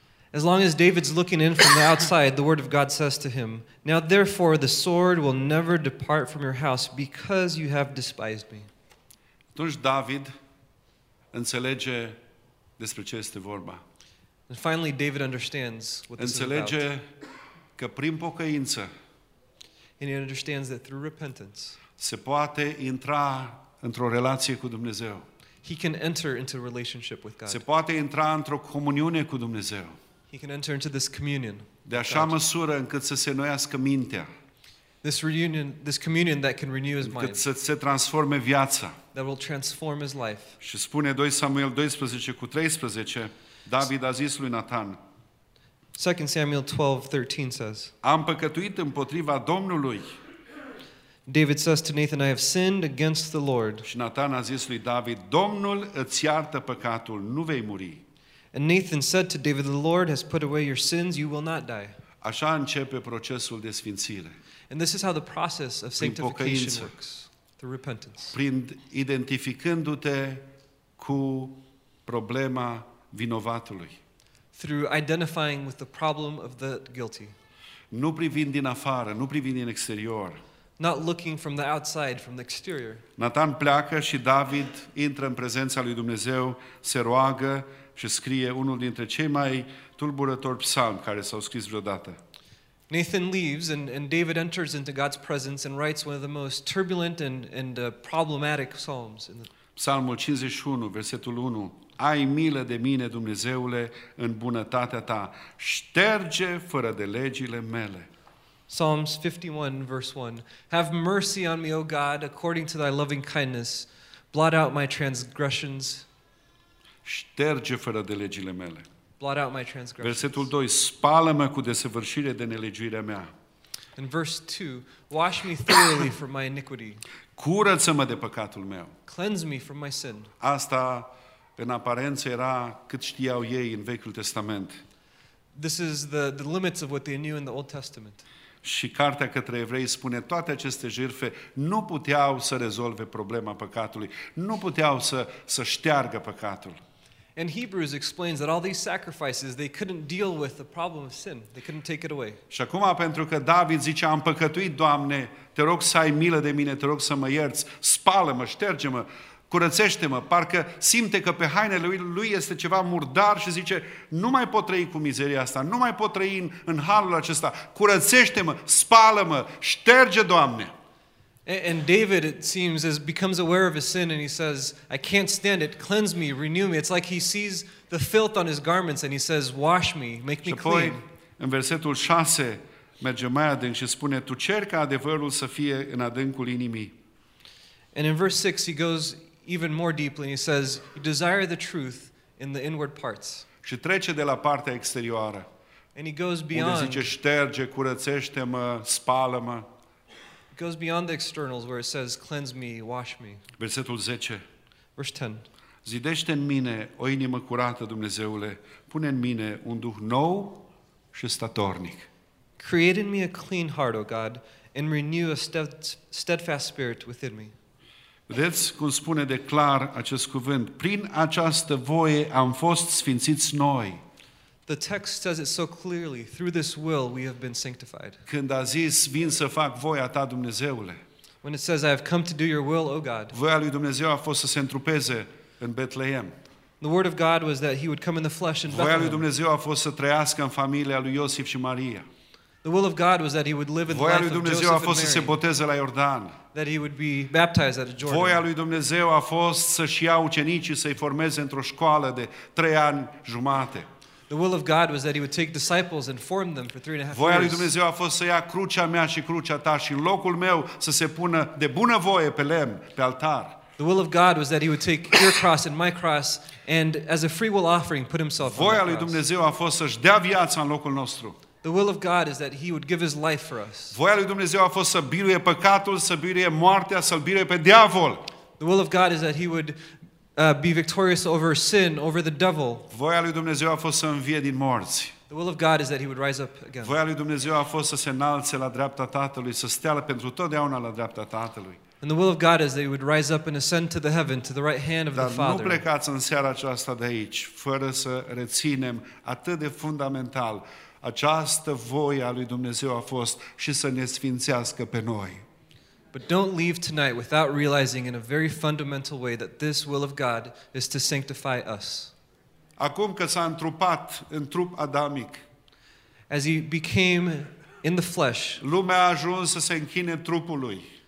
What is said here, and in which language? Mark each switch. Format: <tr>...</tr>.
<en>As long as David's looking in from the outside, the word of God says to him, now therefore the sword will never depart from your house because you have despised me.</en> <ro>Atunci David înțelege despre ce este vorba.</ro> <en>And finally David understands what this is about.</en> <ro>Înțelege că prin pocăință.</ro> <en>And he understands that through repentance.</en> <ro>Se poate intra într-o relație cu Dumnezeu.</ro> <en>He can enter into a relationship with God.</en> <ro>Se poate intra într-o comuniune cu Dumnezeu.</ro> <en>He can enter into this communion.</en> <ro>De așa măsură încât să se noiască mintea.</ro> <en>This reunion, this communion that can renew his mind.</en> <ro>Încât să se transforme viața.</ro> <en>That will transform his life.</en> <ro>Și spune 2 Samuel 12:13, David a zis lui Nathan.</ro> <en>2 Samuel 12:13 says.</en> <ro>Am păcătuit împotriva Domnului.</ro> <en>David says to Nathan, I have sinned against the Lord.</en> <ro>Și Nathan a zis lui David, Domnul îți iartă păcatul, nu vei muri.</ro> <en>And Nathan said to David, the Lord has put away your sins, you will not die.</en> <ro>Așa începe procesul de sfințire.</ro> <en>And this is how the process of sanctification works. Through repentance.</en> <ro>Prin identificându-te cu problema vinovatului.</ro> <en>Through identifying with the problem of the guilty.</en> <ro>Nu privind din afară, nu privind din exterior.</ro> <en>Not looking from the outside, from the exterior.</en> <ro>Nathan pleacă și David intră în prezența lui Dumnezeu, se roagă și scrie unul dintre cei mai tulburători psalmi care s-au scris vreodată.</ro> <en>Nathan leaves and David enters into God's presence and writes one of the most turbulent and problematic psalms.</en> <ro>Psalmul 51, versetul 1. Ai milă de mine, Dumnezeule, în bunătatea ta. Șterge fără de legile mele.</ro> <en>Psalms 51, verse 1. Have mercy on me, O God, according to thy loving kindness. Blot out my transgressions.</en> <ro>Șterge fără de legile mele.</ro> <en>Blot out my transgressions.</en> <ro>Versetul 2. Spală-mă cu desăvârșire de nelegiuirea mea.</ro> <en>In verse 2. Wash me thoroughly from my iniquity.</en> <ro>Curăță-mă de păcatul meu.</ro> <en>Cleanse me from my sin.</en> <ro>Asta, în aparență, era cât știau ei în Vechiul Testament.</ro> <en>This is the limits of what they knew in the Old Testament.</en> <ro>Și cartea către evrei spune toate aceste jertfe nu puteau să rezolve problema păcatului, nu puteau să șteargă păcatul.</ro> <en>And Hebrews explains that all these sacrifices they couldn't deal with the problem of sin. They couldn't take it away.</en> <ro>Și acum pentru că David zice am păcătuit, Doamne, te rog să ai milă de mine, te rog să mă ierți, spală-mă, șterge-mă, curățește-mă, parcă simte că pe hainele lui este ceva murdar și zice, nu mai pot trăi cu mizeria asta, nu mai pot trăi în halul acesta, curățește-mă, spală-mă, șterge, Doamne.</ro> <en>And David, it seems, becomes aware of his sin and he says, I can't stand it, cleanse me, renew me. It's like he sees the filth on his garments and he says, wash me, make me clean.</en> <ro>Și apoi, în versetul 6, merge mai adânc și spune, tu cerca adevărul să fie în adâncul inimii.</ro> <en>And in verse 6 he goes even more deeply and he says you desire the truth in the inward parts.</en> <ro>Și trece de la partea exterioară.</ro> <en>And he goes beyond.</en> <ro>Unde zice șterge, curățește-mă, spală-mă.</ro> <en>He goes beyond the externals where it says cleanse me, wash me.</en> <ro>Versetul 10.</ro> <en>Verse 10.</en> <ro>Zidește în mine o inimă curată, Dumnezeule, pune în mine un duh nou și statornic.</ro> <en>Create in me a clean heart, O God, and renew a steadfast spirit within me.</en> <ro>Vedeți cum spune de clar acest cuvânt. Prin această voie am fost sfințiți noi.</ro> <en>The text says it so clearly. Through this will we have been sanctified.</en> <ro>Când a zis, vin să fac voia ta, Dumnezeule.</ro> <en>When it says, I have come to do your will, O God.</en> <ro>Voia lui Dumnezeu a fost să se întrupeze în Betleem.</ro> <en>The word of God was that he would come in the flesh in Bethlehem.</en> <ro>Voia lui Dumnezeu a fost să trăiască în familia lui Iosif și Maria.</ro> <en>The will of God was that he would live in the life of Joseph and Mary.</en> <ro>Voia lui Dumnezeu a fost să se boteze la Iordan.</ro> <en>That he would be baptized at Jordan.</en> <ro>Voia lui Dumnezeu a fost să-și ia ucenicii să-i formeze într-o școală de 3 ani jumate.</ro> <en>The will of God was that he would take disciples and form them for 3.5 years.</en> <ro>Voia lui Dumnezeu a fost să ia crucea mea și crucea ta și în locul meu să se pună de bună voie pe lemn, pe altar.</ro> <en>The will of God was that he would take your cross and my cross and as a free will offering put himself on the cross.</en> <ro>Voia lui Dumnezeu a fost să-și dea viața în locul nostru.</ro> <en>The will of God is that he would give his life for us.</en> <ro>Voia lui Dumnezeu a fost să biruie păcatul, să biruie moartea, să-l biruie pe diavol.</ro> <en>The will of God is that he would be victorious over sin, over the devil.</en> <ro>Voia lui Dumnezeu a fost să învie din morți.</ro> <en>The will of God is that he would rise up again.</en> <ro>Voia lui Dumnezeu a fost să se înalțe la dreapta Tatălui, să stea pentru totdeauna la dreapta Tatălui.</ro> <en>And the will of God is that he would rise up and ascend to the heaven, to the right hand of</en> <ro>Dar</ro> <en>the Father.</en> <ro>Dar nu plecați în seara aceasta de aici fără să reținem atât de fundamental această voie a lui Dumnezeu a fost și să ne sfințească pe noi.</ro> <en>But don't leave tonight without realizing in a very fundamental way that this will of God is to sanctify us.</en> <ro>Acum că s-a întrupat în trup adamic,</ro> <en>as he became in the flesh,</en> <ro>lumea a ajuns să se închine trupului.</ro>